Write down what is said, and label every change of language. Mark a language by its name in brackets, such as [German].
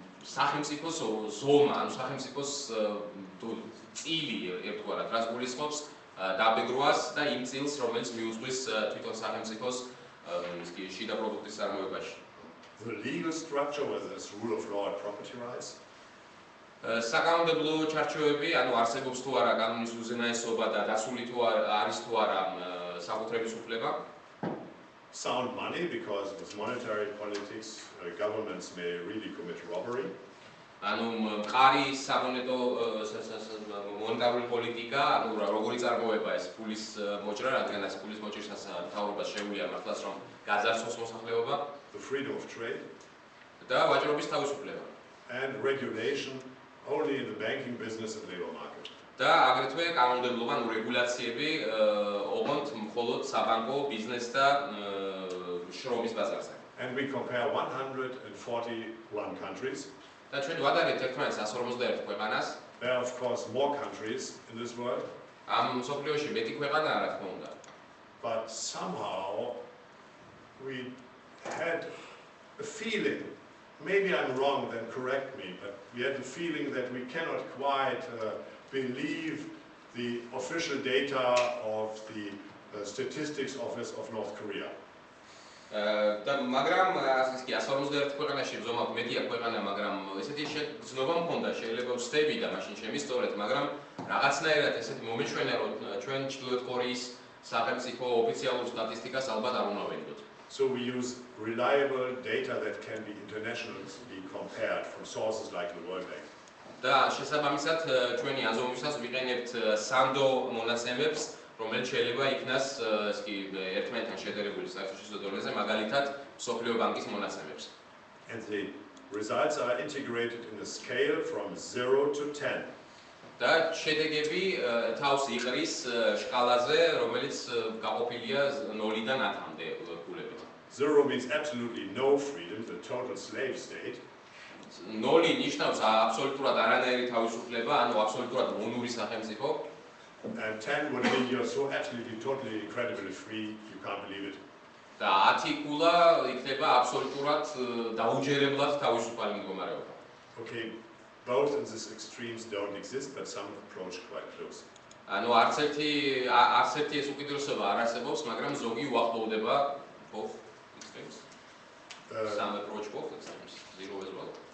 [Georgian] სახელმწიფოს ზომა, ანუ სახელმწიფოს წილი ერთგვარად რაც გულისხმობს დაბეგრვას და იმ წილს რომელიც მიუძღვის თვითონ სახელმწიფოს შიდა პროდუქტის წარმოებაში. [English] The legal structure was this rule of law and property rights. [Georgian] საკანონმდებლო ჩარჩოები, ანუ არსებობს თუ არა კანონის უზენაესობა და დასული თუ არის თუ არა საკუთრების უფლება. [English] Sound money because with monetary politics governments may really commit robbery. [Georgian] ანუ მყარი საბონეტო მონეტარული პოლიტიკა, ანუ როგორი წარმოება ეს ფულის მოჭრა, რადგანაც ფულის მოჭრის თავობას შეუძლია მართლაც რომ გაზარცოს მოსახლეობა. [English] The freedom of trade. [Georgian] და ვაჭრობის თავისუფლება. [English] And regulation only in the banking business and labor market. [Georgian] Და აგრეთვე კანონმდებლობა ნუ რეგულაციები ოღონდ მხოლოდ საბანკო ბიზნეს და შრომის ბაზარზე. [English] And we compare 141 countries. [Georgian] Და ჩვენ ვადარეთ ერთმანეთს 141 ქვეყანას. [English] There are of course more countries in this world. [Georgian] ამ მსოფლიოში მეტი ქვეყანაა რა თქმა უნდა. [English] But somehow we had a feeling, maybe I'm wrong, then correct me, but we had the feeling that we cannot quite believe the official data of the statistics office of North Korea. [Georgian] Да, მაგრამ ასეთი 141 ქვეყანაში ზომავ მეტია ქვეყანა, მაგრამ ესეთი ცნობა მქონდა, შეიძლება ვსდები და მაშინ შემისწორეთ, მაგრამ რაღაცნაირად ესეთი მომეჩვენა, რომ ჩვენ ჩილოთ კორეის სახელმწიფო ოფიციალურ სტატისტიკას ალბათ არ უნდა. [English] So we use reliable data that can be internationally compared from sources like the World Bank. [Georgian] Да, შესაბამისად ჩვენი აზომვისას ვიყენებთ სანდო მონაცემებს, რომელიც შეიძლება იქნას ისე ერთმანეთთან შედარებული საერთაშორისო დონეზე, მაგალითად, მსოფლიო ბანკის მონაცემებს. [English] And the results are integrated in a scale from 0 to 10. [Georgian] Да, შედეგები თავს იყრის შკალაზე, რომელიც გაყოფილია 0-დან 10-მდე ქულებით. [English] 0 means absolutely no freedom, the total slave state. [Georgian] 0 ნიშნავს აბსოლუტურად არანაირი თავისუფლება, ანუ აბსოლუტურად მონური სახელმწიფო. [English] And 10 would mean you're so absolutely totally incredibly free, you can't believe it. [Georgian] Да, 10 кула იქნება აბსოლუტურად დაუჯერებლად თავისუფალი მდგომარეობა. [English] Okay. Both of these extremes don't exist, but some approach quite close. [Georgian] ანუ არც ერთი ეს უკიდურესობა არ არსებობს, მაგრამ ზოგი უახლოვდება [English] both extremes. Some approach both extremes, zero as well.